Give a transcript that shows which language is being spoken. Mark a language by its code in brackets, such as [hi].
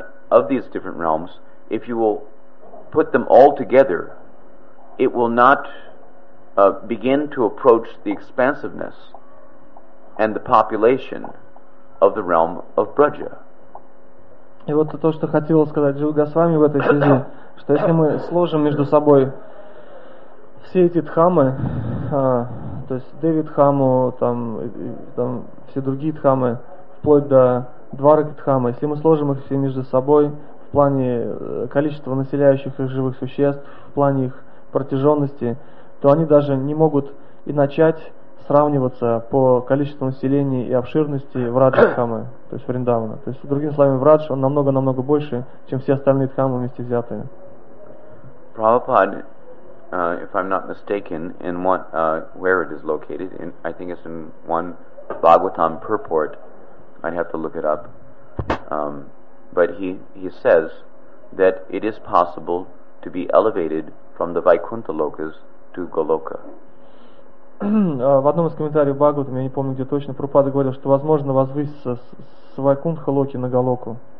[en] of these different realms, if you will put them all together, it will not begin to approach the expansiveness and the population of the realm of Braja. [ru] И вот то, что хотел сказать Джива Госвами в этой связи, что если мы сложим между собой все эти дхамы, то есть Деви дхаму, там все другие дхамы, вплоть до Двараки дхамы, если мы сложим их все между собой в плане количества населяющих их живых существ, в плане их протяженности, то они даже не могут и начать сравниваться по количеству населения и обширности в Раджа-дхамы, то есть Вриндавана. То есть, другими словами, Врадж, он намного-намного больше, чем все остальные дхамы вместе взятые. [en] Prabhupada, if I'm not mistaken, in what, where it is located, in, I think it's in one Bhagavatam purport, I'd have to look it up, but he says that it is possible to be elevated from the Vaikuntha lokas to Goloka. [ru] В одном из комментариев Бхагавата, я не помню где точно, Прабхупада говорил, что возможно возвыситься с Вайкунтха Локи на Галоку.